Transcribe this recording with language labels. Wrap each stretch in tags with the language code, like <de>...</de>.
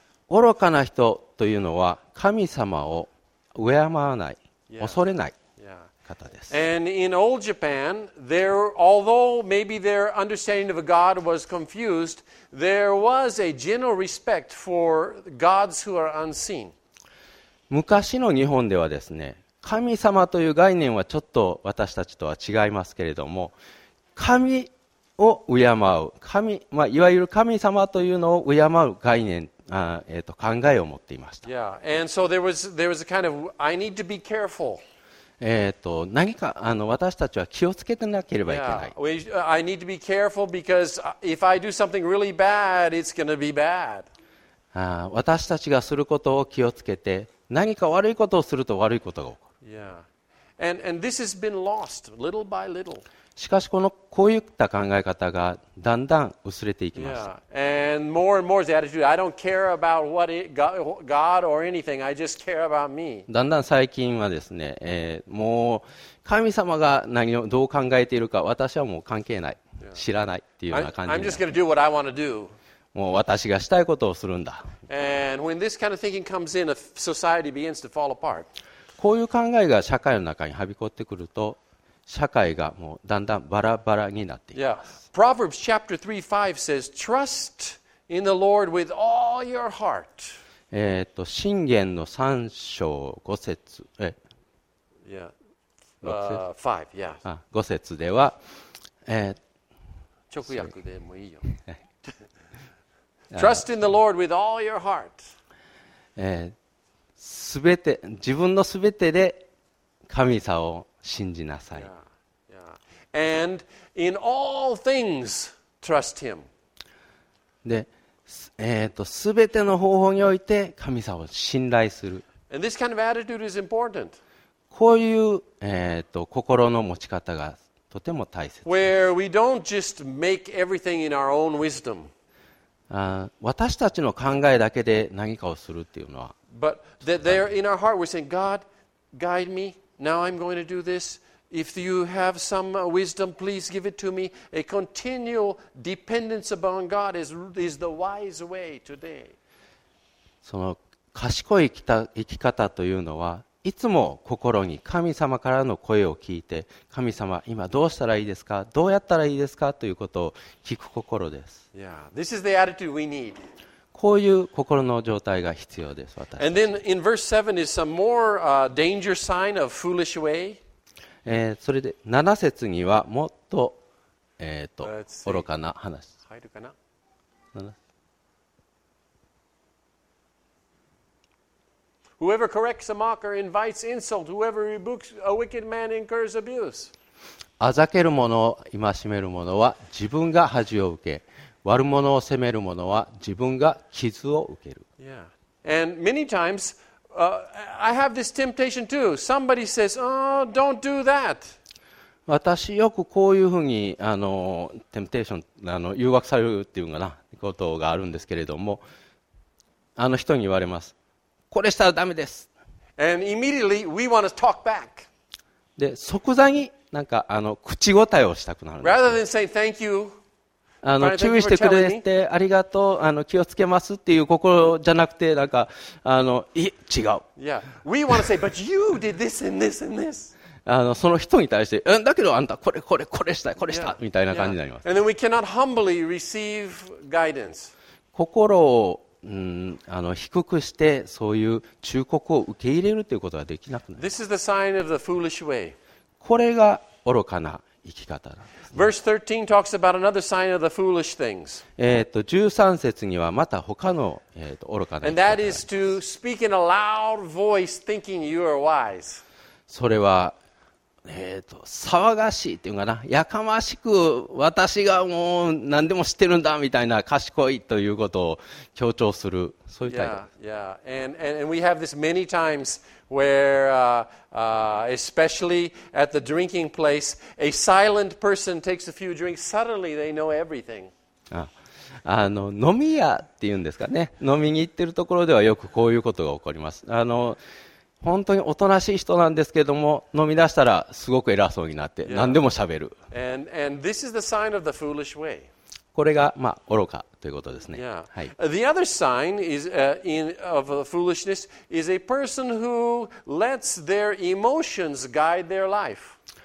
<ja>愚かな人というのは神様を敬わない、yeah. 恐れない方です。 Yeah.</ja> <en>And in old Japan, there, although maybe their understanding of God was confused, there was a general respect for gods who are unseen.</en> <ja>昔の日本ではですね、神様という概念はちょっと私たちとは違いますけれども、神を敬う、神、まあ、いわゆる神様というのを敬う概念考えを持っていました。 Yeah.</ja> <en>And so there was a kind of, I need to be careful.</en> <ja>何か私たちは気をつけてなければいけない。 Yeah.</ja> <en>I need to be careful because if I do something really bad, it's going to be bad.</en> <ja>私たちがすることを気をつけて、何か悪いことをすると悪いことが起こる。 Yeah.</ja> <en>And this has been lost little by little.</en> <ja>しかしこういった考え方がだんだん薄れていきました。 Yeah.</ja> <en>And more and more is the attitude, I don't care about what it, God or anything, I just care about me.</en> <ja>だんだん最近はですね、もう神様が何をどう考えているか私はもう関係ない、yeah. 知らないっていうような感じ。</ja> <en>I'm just going to do what I want to do.</en> <ja>もう私がしたいことをするんだ。</ja> <en>And when this kind of thinking comes in, a society begins to fall apart.</en> <ja>こういう考えが社会の中にはびこってくると社会がもうだんだんバラバラになっていきます。 Yeah.</ja> <en>Proverbs chapter 3, 5 says, Trust in the Lord with all your heart.</en> <ja>箴言の3章5節、5節では、直訳でもいいよ。</ja> <en>Trust in the Lord with all your heart.</en> <ja>全て、自分の全てで神様を信じなさい。</ja> <en>Yeah. And in all things, trust him.</en> <ja>で、すべての方法において神様を信頼する。</ja> <en>And this kind of attitude is important.</en> <ja>こういう、心の持ち方がとても大切です。</ja> <en>Where we don't just make everything in our own wisdom.</en> <ja>私たちの考えだけで何かをするっていうのは。</ja> <en>But that there in our heart we're saying, God, guide me. Now I'm going to do this. If you have some wisdom, please give it to me. A continual dependence upon God is the wise way today.</en> <ja>その賢い生き方というのは、いつも心に神様からの声を聞いて、神様、今どうしたらいいですか？どうやったらいいですか？ということを聞く心です。</ja> <en>Yeah, this is the attitude we need.</en> <ja>こういう心の状態が必要です、私たち。</ja> <en>And then in verse 7 is some more danger sign of foolish way.</en> <ja>それで7節にはもっと愚かな話入るかな。</ja> <en>Whoever corrects a mocker invites insult. Whoever rebukes a wicked man incurs abuse.</en> <ja>あざける者を戒める者は自分が恥を受け、悪者を責める者は自分が傷を受ける。</ja> <en>Yeah. And many times, I have this temptation too. Somebody says, oh, don't do that.</en> <ja>私よくこういうふうにあのテンプテーション誘惑されるっていうかなことがあるんですけれども、あの人に言われます。これしたらダメです。</ja> <en>And immediately we want to talk back.</en> <ja>で即座になんかあの口答えをしたくなるんです。</ja> <en>Rather than saying thank you,</en> <ja>あの注意してくれてありがとう、あの気をつけますっていう心じゃなくて、なんかあのい違う。</ja> <en>Yeah, we want to say, but you did this and this and this.</en> <ja>あのその人に対して、うん、だけどあんたこれこれこれしたこれした、yeah. みたいな感じになります。</ja> <en>Yeah. And then we cannot humbly receive guidance.</en> <ja>心を、うん、あの低くしてそういう忠告を受け入れるということができなくなる。</ja> <en>This is the sign of the foolish way.</en> <ja>これが愚かな生き方なんです、ね。</ja> <en>Verse 13 talks about another sign of the foolish things.</en> <ja>13節にはまた他の、愚かな生き方があります。</ja> <en>And that is to speak in a loud voice, thinking you are wise.</en> <ja>それは、騒がしいっていうかな、やかましく私がもう何でも知ってるんだみたいな賢いということを強調する、そういう態度。 Yeah, yeah.</ja> <en>And we have this many times where, especially at the drinking place, a silent person takes a few drinks. Suddenly, they know everything.</en> <ja>あの飲み屋っていうんですかね、飲みに行ってるところではよくこういうことが起こります。あの本当におとなしい人なんですけれども、飲み出したらすごく偉そうになって何でも喋る、 yeah.</ja> <en>and this is the sign of the foolish way.</en> <ja>これが、まあ、愚かということですね、 yeah. はい、</ja> <en>The other sign is, of the foolishness is a person who lets their emotions guide their life.</en>